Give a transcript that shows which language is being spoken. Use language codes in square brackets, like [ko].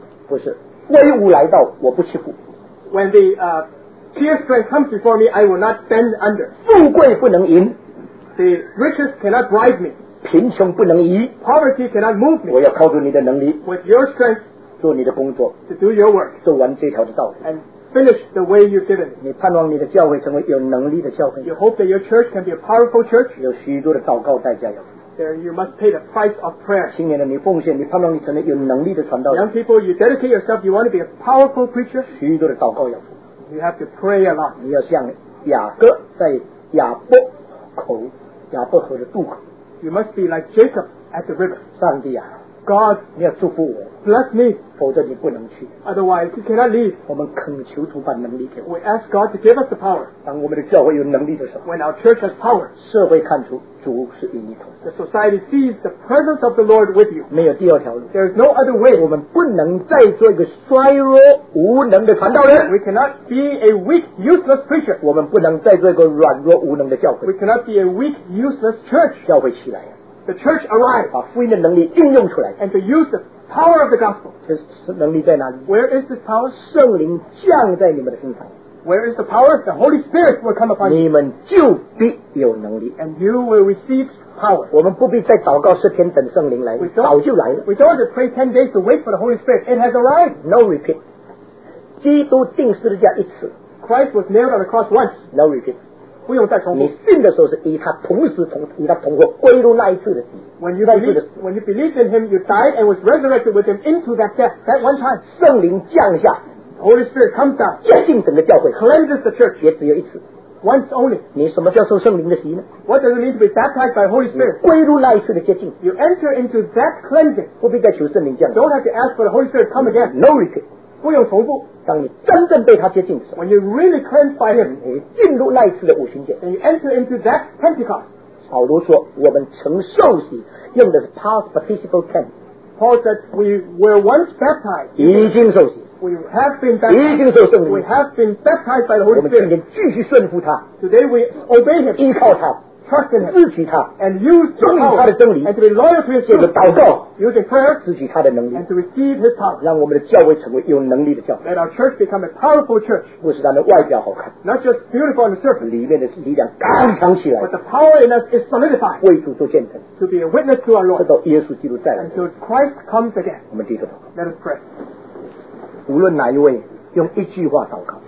[zh] 不是威武来到我不欺负 [en] When the Fear strength comes before me, I will not bend under. [zh] 富贵不能淫 [en] The riches cannot bribe me. [zh] 贫穷不能移 [en] Poverty cannot move me. [zh] 我要靠住你的能力 [en] With your strength, [zh] 做你的工作 [en] to do your work, [zh] 做完这条的道理 [en] and finish the way you've given me. [zh] 你盼望你的教会成为有能力的教会 [en] You hope that your church can be a powerful church. [zh] 有许多的祷告代价要付 [en] There you must pay the price of prayer. [zh] 青年人，你奉献，你盼望你成为有能力的传道人 [en] Young people, you dedicate yourself, you want to be a powerful preacher. [zh] 许多的祷告要付 [en] You have to pray a lot. [zh] 你要像雅各在亚伯口，亚伯河的渡口。 [en] You must be like Jacob at the river. [zh] 上帝啊 [en] ，God， [zh] 你要祝福我 [en] ，bless me， [zh] 否则你不能去。 [en] Otherwise, you cannot leave. [zh] 我们恳求主把能力给我。 [en] We ask God to give us the power. [zh] 当我们的教会有能力的时候 [en] ，When our church has power， [zh] 社会看出主是与你同。 [en] The society sees the presence of the Lord with you. [zh] 没有第二条路。 [en] There is no other way. [zh] 我们不能再做一个衰弱。无能的传道人 [en] We cannot be a weak, useless preacher. [zh] 我们不能再做一个软弱无能的教会 [en] We cannot be a weak, useless church. [zh] 教会起来 [en] The church arrived. [zh] 把福音的能力运用出来 [en] And to use the power of the gospel. [zh] 这能力在哪里 [en] Where is this power? [zh] 圣灵降在你们的身上 [en] Where is the power? The Holy Spirit will come upon you. [zh] 你们就必有能力 [en] And you will receive power. [zh] 我们不必再祷告十天等圣灵来 早就来了 [en] We don't have to pray 10 days to wait for the Holy Spirit. It has arrived. No repeat. [zh] 基督钉十字架一次 [en] Christ was nailed on the cross once No repeat [zh] 不用再重复你信的时候是与他同时同与他同活归入那一次的死 [en] When you believed in him you died and was resurrected with him into that death that one time [zh] 圣灵降下 [en] Holy Spirit comes down [zh] 洁净整个教会 [en] cleanses the church [zh] 也只有一次 [en] once only [zh] 你什么叫受圣灵的洗呢 [en] What does it mean to be baptized by Holy Spirit [zh] 归入那一次的洁净 [en] You enter into that cleansing [zh] 不必再求圣灵降下 [en] Don't have to ask for the Holy Spirit to come again No repeat [zh] 不用重复当你真正被他接近的时候 [en] When you really cleansed by him [zh] 你进入那一次的五旬节 [en] And you enter into that Pentecost [zh] 保罗说我们曾受洗用的是 [en] past participle tense Paul said we were once baptized [zh] 已经受洗 [en] We have been baptized [zh] 已经受圣灵 [en] We have been baptized by the Holy Spirit [zh] 我们今天继续顺服他 [en] Today we obey him [zh] 依靠他 [en] Trust in him [zh] 支取他 [en] And use the power [zh] 遵循他的真理 [en] And to be loyal to his truth [zh] 就是祷告 [en] Using prayer, [zh] 支取他的能力 [en] and to receive his power, [zh] 让我们的教会成为有能力的教会 [en] Let our church become a powerful church, [zh] 不是让它外表好看 [en] not just beautiful on the surface, [zh] 里面的力量刚强起来 [en] but the power in us is solidified, [zh] 为主做见证 [en] to be a witness to our Lord, [zh] 直到耶稣基督再来 [en] until Christ comes again, [zh] 我们低头祷告 [en] let us pray, [zh] 无论哪一位用一句话祷告